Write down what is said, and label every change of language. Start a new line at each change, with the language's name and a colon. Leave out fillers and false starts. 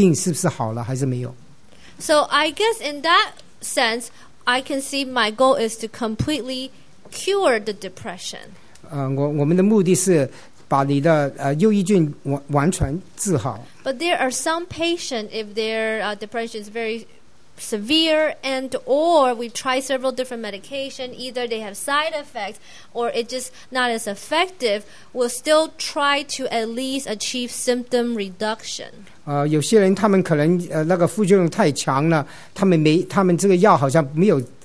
Chinese: 我们希望是我们知道你睡眠啊，其他的那个忧郁症对你的影响。那么用了药之后，你的睡眠又好了，吃东西也好了，脾气又好了。那就希望用那种方法来知道你的病是不是好了还是没有。So
English: I guess in that sense, I can see my goal is to completely cure the depression.
Chinese: 我们的目的是。把你的忧郁症完全治好。
English: But there are some patients, if their depression is very severe and or we try several different medications, either they have side effects or it's just not as effective, we'll still try to at least achieve symptom reduction.
Chinese: 有些人他们可能那个副作用太强了，他们这个药好像没有。